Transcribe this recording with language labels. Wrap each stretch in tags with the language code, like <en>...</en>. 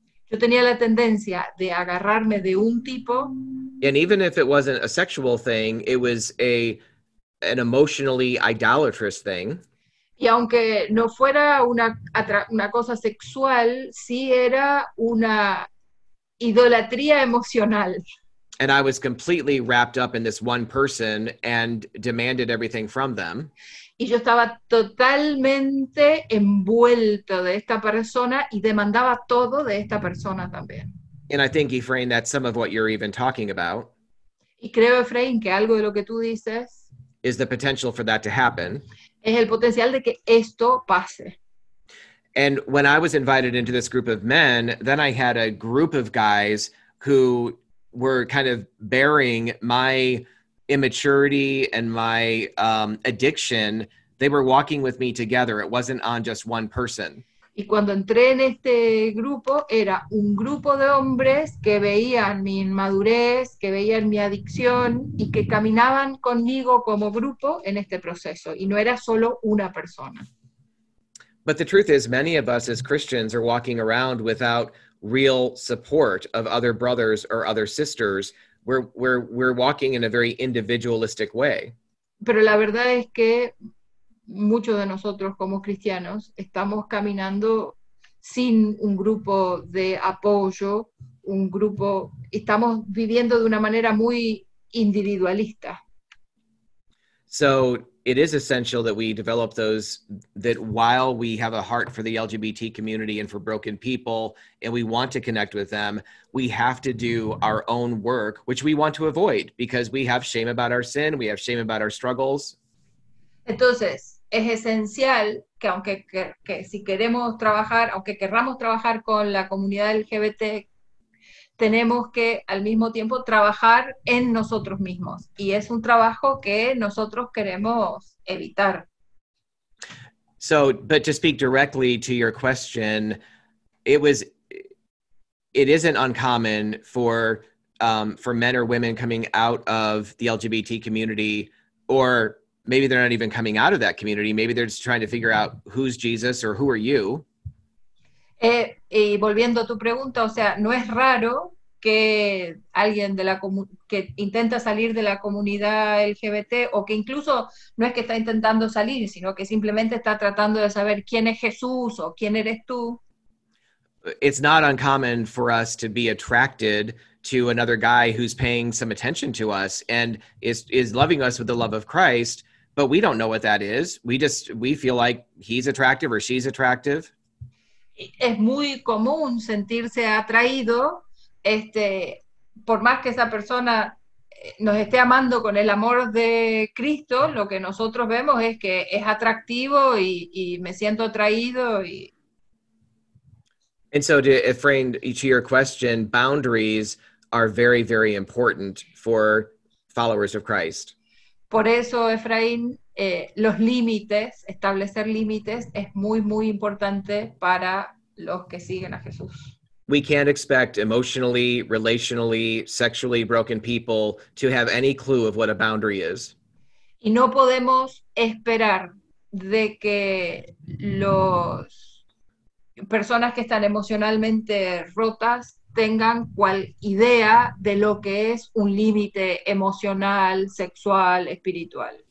<es>Yo tenía la tendencia de agarrarme de un tipo.</es> <en>And even if it wasn't a sexual thing, it was an emotionally idolatrous thing.</en> <es>Y aunque no fuera una cosa sexual, sí era una idolatría emocional.</es> <en>And I was completely wrapped up in this one person and demanded everything from them.</en> <es>Y yo estaba totalmente envuelto de esta persona y demandaba todo de esta persona también.</es> <en>And I think, Efrain, that's some of what you're even talking about.</en> <es>Y creo, Efrain, que algo de lo que tú dices</es> <en>is the potential for that to happen.</en> <es>Es el potencial de que esto pase.</es> <en>And when I was invited into this group of men, then I had a group of guys who were kind of bearing my immaturity and my addiction. They were walking with me together. It wasn't on just one person.</en> <es>Y cuando entré en este grupo, era un grupo de hombres que veían mi inmadurez, que veían mi adicción y que caminaban conmigo como grupo en este proceso. Y no era solo una persona.</es> <en>But the truth is, many of us as Christians are walking around without real support of other brothers or other sisters. We're walking in a very individualistic way.</en> <es>Pero la verdad es que muchos de nosotros como cristianos estamos caminando sin un grupo de apoyo, un grupo, estamos viviendo de una manera muy individualista.</es> <en>So it is essential that we develop those, that while we have a heart for the LGBT community and for broken people, and we want to connect with them, we have to do our own work, which we want to avoid, because we have shame about our sin, we have shame about our struggles.</en> <es>Entonces, es esencial que aunque que si queremos trabajar, aunque querramos trabajar con la comunidad LGBT, tenemos que al mismo tiempo trabajar en nosotros mismos. Y es un trabajo que nosotros queremos evitar.</es> <en>So, but to speak directly to your question, it isn't uncommon for men or women coming out of the LGBT community, or maybe they're not even coming out of that community. Maybe they're just trying to figure out who's Jesus or who are you.</en> <es>Y volviendo a tu pregunta, o sea, no es raro que alguien de la que intenta salir de la comunidad LGBT o que incluso no es que está intentando salir, sino que simplemente está tratando de saber quién es Jesús o quién eres tú.</es> <en>It's not uncommon for us to be attracted to another guy who's paying some attention to us and is loving us with the love of Christ, but we don't know what that is. We feel like he's attractive or she's attractive.</en> <es>Es muy común sentirse atraído, por más que esa persona nos esté amando con el amor de Cristo, lo que nosotros vemos es que es atractivo y me siento atraído y...</es> <en>And so to Efrain, to your question, boundaries are very, very important for followers of Christ.</en> <es>Por eso, Efraín, los límites, establecer límites, es muy, muy importante para los que siguen a Jesús.</es> <en>We can't expect emotionally, relationally, sexually broken people to have any clue of what a boundary is.</en> <es>Y no podemos esperar de que los personas que están emocionalmente rotas tengan cual idea de lo que es un límite emocional, sexual, espiritual.</es>